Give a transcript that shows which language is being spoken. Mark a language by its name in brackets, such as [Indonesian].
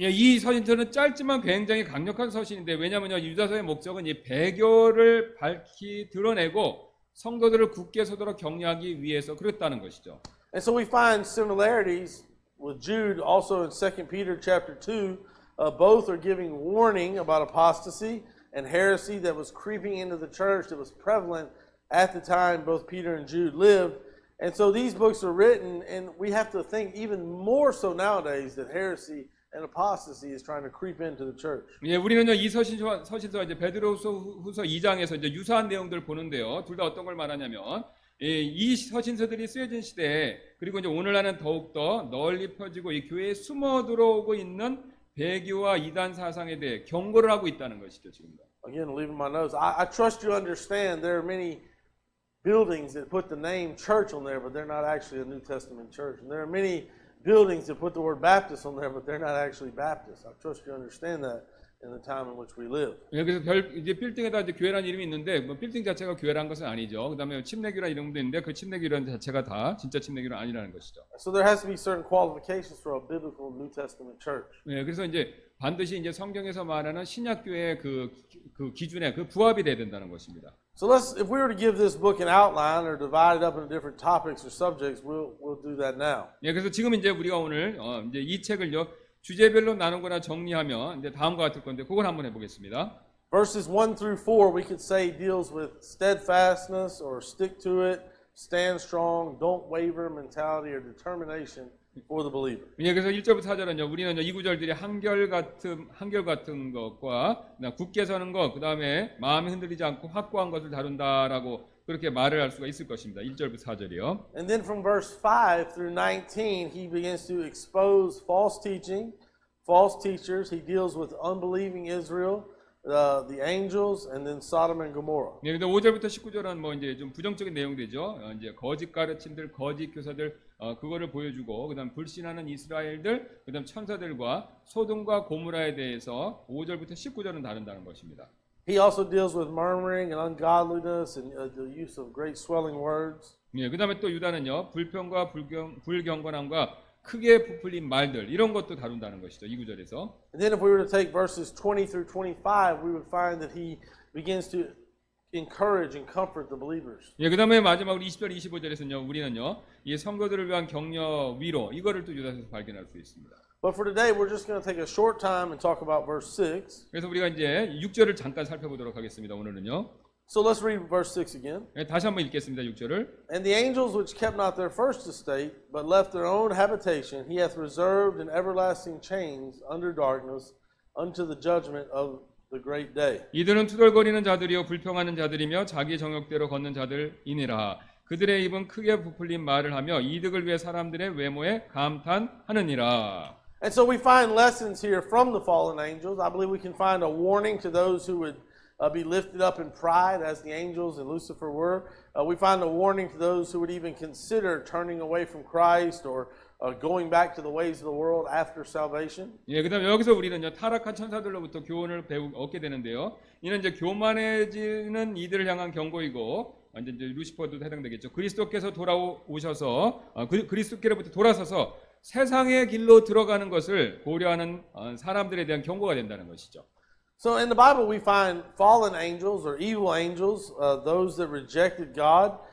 [Korean] 예, 이 서신서는 짧지만 굉장히 강력한 서신인데 왜냐면요 유다서의 목적은 이 배교를 밝히 드러내고 성도들을 굳게 서도록 격려하기 위해서 그랬다는 것이죠. [English] And so we find similarities with Jude also in 2 Peter chapter 2. Both are giving warning about apostasy and heresy that was creeping into the church that was prevalent at the time both Peter and Jude lived. And so these books are written, and we have to think even more so nowadays that heresy and apostasy is trying to creep into the church. [Korean] 예, 우리는요 이 서신서 이제 베드로후서 2장에서 이제 유사한 내용들 보는데요. 둘 다 어떤 걸 말하냐면 예, 이 서신서들이 쓰여진 시대에 그리고 이제 오늘날은 더욱 더 널리 퍼지고 이 교회에 숨어 들어오고 있는 배교와 이단 사상에 대해 경고를 하고 있다는 것이죠, 지금도. [English] Again, leaving my notes. I trust you understand there are many buildings that put the name church on there, but they're not actually a New Testament church. And there are many buildings that put the word Baptist on there, but they're not actually Baptist. I trust you understand that in the time in which we live. [Korean] 여기서 이제 빌딩에다 이제 교회라는 이름이 있는데, 뭐 빌딩 자체가 교회라는 것은 아니죠. 그다음에 침례교라는 이름도 있는데, 그 침례교라는 자체가 다 진짜 침례교는 아니라는 것이죠. [English] So there has to be certain qualifications for a biblical New Testament church. [Korean] 예, 그래서 이제 반드시 이제 성경에서 말하는 신약교회의 그 기준에 그 부합이 돼야 된다는 것입니다. [English] So if we were to give this book an outline or divide it up into different topics or subjects, we'll do that now. [Korean] 예, 그래서 지금 이제 우리가 오늘 이제 이 책을요 주제별로 나누거나 정리하면 이제 다음과 같을 건데 그걸 한번 해보겠습니다. [English] Verses 1 through 4, we could say deals with steadfastness or stick to it, stand strong, don't waver mentality or determination for the believer. [Korean] 예, 그래서 1절부터 4절은요, 우리는 이 구절들이 한결 같은 것과 굳게 서는 것, 그 다음에 마음이 흔들리지 않고 확고한 것을 다룬다라고 그렇게 말을 할 수가 있을 것입니다. 1절부터 4절이요. [English] And then from verse 5 through 19, he begins to expose false teaching, false teachers. He deals with unbelieving Israel, the angels, and then Sodom and Gomorrah. [Korean] 네, 근데 5절부터 19절은 뭐 이제 좀 부정적인 내용들이죠. 이제 거짓 가르침들, 거짓 교사들, 그거를 보여주고, 그다음 불신하는 이스라엘들, 그다음 천사들과 소돔과 고모라에 대해서 5절부터 19절은 다룬다는 것입니다. [English] He also deals with murmuring and ungodliness and the use of great swelling words. [Korean] 예, 그다음에 또 유다는요. 불평과 불경건함과 크게 부풀린 말들 이런 것도 다룬다는 것이죠. 이 구절에서. [English] And then if we were to take verses 20 through 25, we would find that he begins to encourage and comfort the believers. [Korean] 예, 그다음에 마지막으로 20절 25절에서는요. 우리는요. 이 성도들을 위한 격려 위로 이거를 또 유다에서 발견할 수 있습니다. [English] But for today, we're just going to take a short time and talk about verse 6. [Korean] 그래서 우리가 이제 6절을 잠깐 살펴보도록 하겠습니다. 오늘은요. [English] So let's read verse 6 again. [Korean] 네, 다시 한번 읽겠습니다. 6절을. [English] And the angels which kept not their first estate, but left their own habitation, he hath reserved in everlasting chains under darkness unto the judgment of the great day. [Korean] 이들은 투덜거리는 자들이요 불평하는 자들이며 자기 정욕대로 걷는 자들이니라. 그들의 입은 크게 부풀린 말을 하며 이득을 위해 사람들의 외모에 감탄하느니라. [English] And so we find lessons here from the fallen angels. I believe we can find a warning to those who would be lifted up in pride as the angels and Lucifer were. We find a warning to those who would even consider turning away from Christ or going back to the ways of the world after salvation. [Korean] 예, 그다음 여기서 우리는요 타락한 천사들로부터 교훈을 얻게 되는데요. 이는 이제 교만해지는 이들을 향한 경고이고 이제 루시퍼도 해당되겠죠. 그리스도께서 돌아오셔서 그리스도께로부터 돌아서서 세상의 길로 들어가는 것을 고려하는 사람들에 대한 경고가 된다는 것이죠. [English] So in the Bible we find fallen angels or evil angels, those that rejected God.